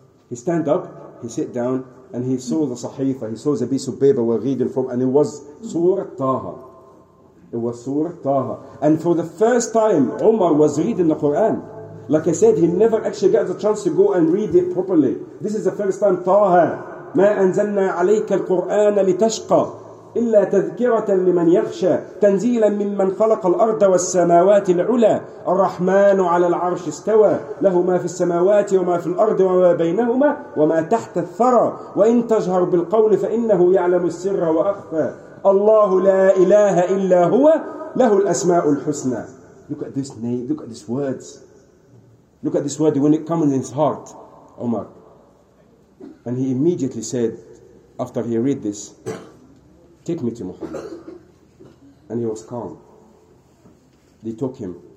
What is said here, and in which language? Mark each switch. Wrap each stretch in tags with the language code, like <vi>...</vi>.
<en>He stand up, he sit down, and he saw the sahifa, he saw the piece of paper we're reading from, and it was Surah Taha. It was Surah Taha. And for the first time, Umar was reading the Quran. Like I said, he never actually got the chance to go and read it properly. This is the first time, Taha.</en> <ar>ما أنزلنا عليك القرآن لتشقى إلا تذكرة لمن يخشى تنزيلا ممن خلق الأرض والسماوات العلى الرحمن على العرش استوى له ما في السماوات وما في الأرض وما بينهما وما تحت الثرى وإن تجهر بالقول فإنه يعلم السر وأخفى الله لا إله إلا هو له الأسماء الحسنى.</ar> <en>Look at this name, look at these words. Look at this word when it comes in his heart, Umar. And he immediately said, after he read this, take me to Muhammad. And he was calm. They took him.</en>